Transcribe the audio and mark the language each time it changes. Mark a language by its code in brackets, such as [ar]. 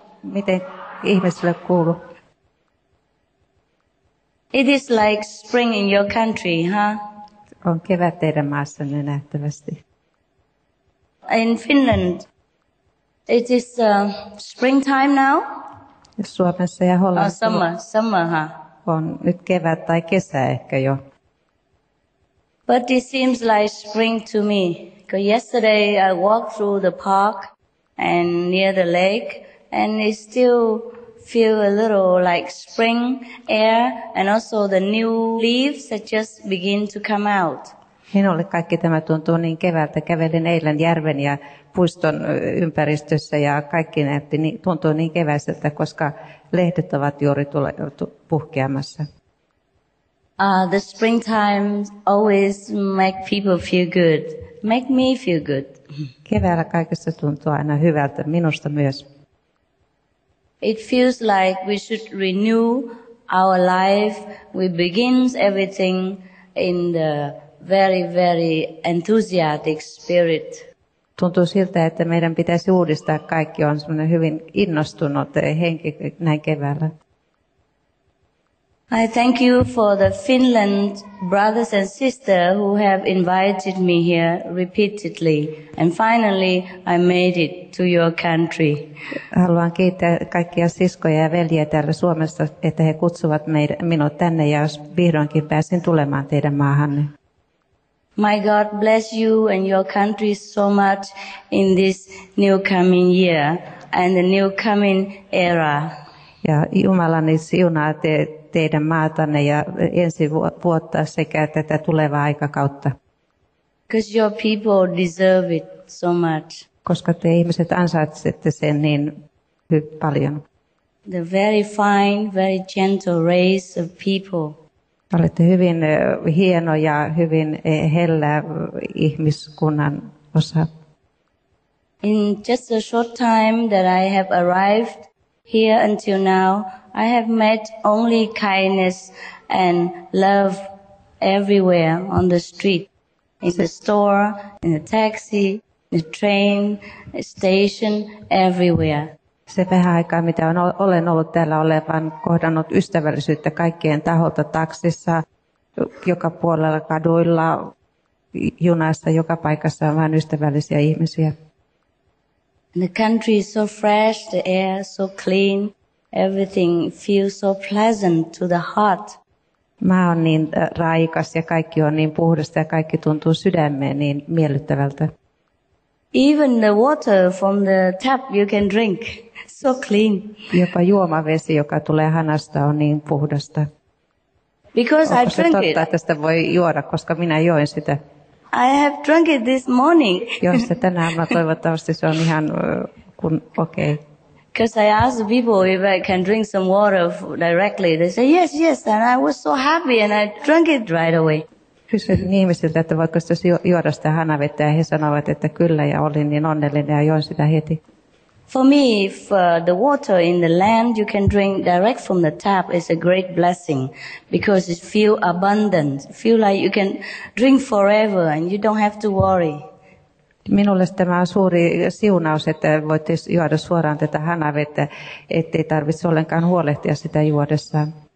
[fi] Miten ihmisille kuuluu? [en] It is like spring in your country, huh? [fi] On kevät teidän maassanne nähtävästi. [en] In Finland, it is springtime now. [fi] Suomessa ja Hollannissa. [en] Oh, summer, huh? [fi] On nyt kevät tai kesä ehkä jo. [en] But it seems like spring to me. Because yesterday I walked through the park and near the lake, and it still feel a little like spring air, and also the new leaves that just begin to come out. [fi] Minulle kaikki tämä tuntuu niin keväältä. Kävelin eilen järven ja puiston ympäristössä ja kaikki näytti niin, tuntui niin keväiseltä, koska lehdet ovat juuri puhkeamassa. [en] The springtime always make people feel good. Make me feel good. [fi] Keväällä kaikessa tuntuu aina hyvältä, minusta myös. [en] It feels like we should renew our life. We begin everything in the very, very enthusiastic spirit. [fi] Tuntuu siltä, että meidän pitäisi uudistaa kaikki. On semmoinen hyvin innostunut henki näin keväällä. [en] I thank you for the Finland brothers and sisters who have invited me here repeatedly. And finally, I made it to your country. [fi] Haluan kiittää kaikkia siskoja ja veljiä täällä Suomessa, että he kutsuvat minut tänne ja vihdoinkin pääsin tulemaan teidän maahanne. [en] My God bless you and your country so much in this new coming year and the new coming era. [fi] Ja Jumalani siunaa teidän maatanne ja ensi vuotta sekä tätä tulevaa aikakautta. [en] Because your people deserve it so much. [fi] Koska te ihmiset ansaitsette sen niin paljon. [en] The very fine, very gentle race of people. [fi] Olette hyvin hieno ja hyvin hellä ihmiskunnan osa. [en] In just a short time that I have arrived here until now, I have met only kindness and love everywhere on the street, in the store, in the taxi, the train, the station, everywhere. [fi] Se vähän aikaa, mitä olen ollut täällä olevan, kohdannut ystävällisyyttä kaikkien taholta taksissa, joka puolella kaduilla, junassa, joka paikassa on vain ystävällisiä ihmisiä. [en] The country is so fresh, the air so clean, everything feels so pleasant to the heart. [fi] Maa on niin raikas ja kaikki on niin puhdasta ja kaikki tuntuu sydämeen niin miellyttävältä. [en] Even the water from the tap you can drink. So clean. [fi] Jopa juomavesi, joka tulee hanasta, on niin puhdasta. [en] Because [fi] onko [en] I drank [fi] totta, [en] it. [fi] Että tästä voi juoda, koska minä join sitä. [en] I have drunk it this morning. [fi] Jos se tänä aamuna, toivottavasti se on ihan kun okei. [en] Because I asked people if I can drink some water directly. They say yes, yes, and I was so happy and I drank it right away. [fi] Kysyin ihmisiltä, että voiko sitä juoda sitä hanavettä, ja he sanoivat, että kyllä, ja olin niin onnellinen ja join sitä heti. [en] For me, if the water in the land you can drink direct from the tap is a great blessing because it feels abundant, feel like you can drink forever and you don't have to worry. [fi] Minulle tämä on suuri siunaus, että voitte juoda suoraan tätä hanavettä, ettei tarvitse ollenkaan huolehtia sitä juodessaan.